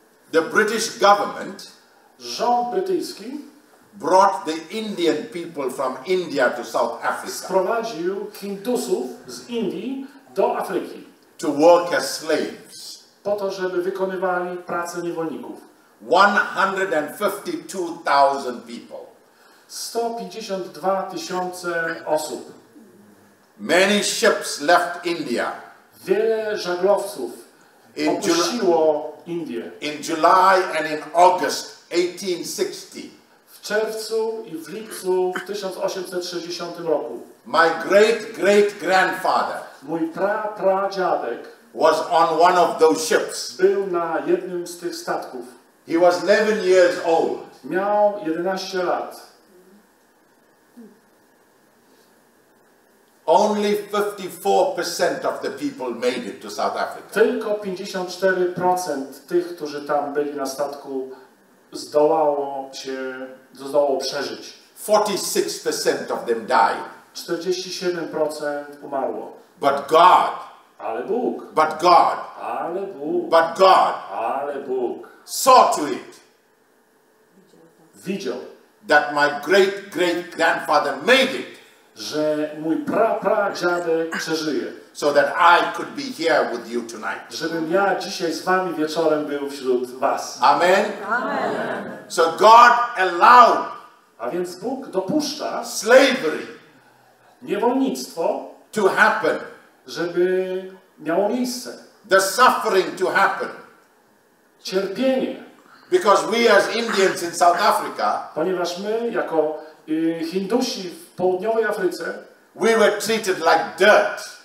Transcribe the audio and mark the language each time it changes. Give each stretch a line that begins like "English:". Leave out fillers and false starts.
English: the British government,
Polish: rząd brytyjski,
English: brought the Indian people from India to South Africa.
Polish: Sprowadził Hindusów z Indii do Afryki.
English: To work as slaves.
Polish: Po to, żeby wykonywali pracę niewolników.
English: 152,000 people.
Polish: 152 tysiące osób.
English: Many ships left India.
Polish: Wiele żaglowców opuściło Indię.
English: In July and in August 1860.
Polish: W czerwcu i w lipcu w 1860 roku.
English: My great great grandfather.
Polish: Mój pradziadek
English: was on one of those ships.
Polish: Był na jednym z tych statków.
English: He was 11 years old.
Polish: Miał 11 lat.
English: Only 54% of the people made it to South Africa.
Polish: Tylko 54% tych, którzy tam byli na statku, zdołało przeżyć.
English: 46% of them died.
Polish: 47% umarło.
English: But God.
Polish: Ale Bóg.
English: But God.
Polish: Ale Bóg.
English: But God.
Polish: Ale Bóg.
English: Saw to it.
Polish: Widział.
English: That my great great grandfather made it.
Polish: Że mój pradziadek przeżyje.
English: So that I could be here with you tonight.
Polish: Żebym ja dzisiaj z wami wieczorem był wśród was.
English: Amen.
Polish: Amen.
English: So God allowed.
Polish: A więc Bóg dopuszcza
English: slavery.
Polish: Niewolnictwo
English: to happen.
Polish: Żeby miało miejsce.
English: The suffering to happen.
Polish: Cierpienie.
English: Because we as Indians in South Africa.
Polish: Ponieważ my jako Hindusi w południowej Afryce.
English: We were treated like dirt.